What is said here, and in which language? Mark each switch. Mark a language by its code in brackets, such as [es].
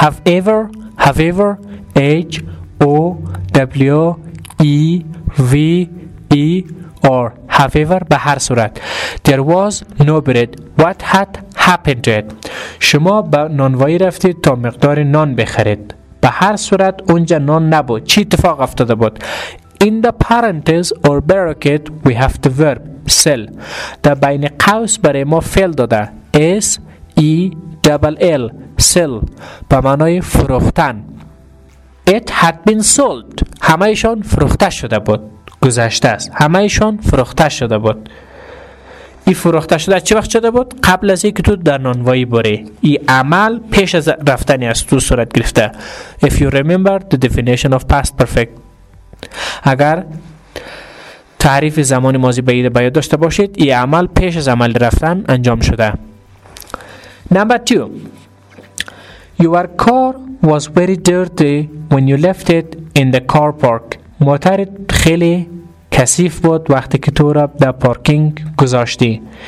[en] Have ever, H-O-W-E-V-E-R. However, [fa] به هر صورت. [en] There was no bread. What had happened to it? [fa] شما به نانوایی رفتید تا مقدار نان بخرید. به هر صورت اونجا نان نبود. چی اتفاق افتاده بود؟ [en] In the parentheses or bracket, we have the verb sell. [fa] در بین قوس برای ما فعل داده. [en] S-E-L-L. Sell. [fa] به معنای فروختن. [en] It had been sold. [fa] همه ایشان فروخته شده بود. گذشته است. همه ایشان فروخته شده بود. ای فروخته شده چه وقت شده بود؟ قبل از اینکه تو در نانوایی بری. ای عمل پیش از رفتنی از تو صورت گرفته. [en] If you remember the definition of past perfect. [fa] اگر تعریف زمان ماضی بعید باید داشته باشید، ای عمل پیش از عمل رفتن انجام شده. [en] Number two. Your car was very dirty when you left it in the car park. [fa] موتورت خیلی کثیف بود وقتی که تو را در پارکینگ گذاشتی.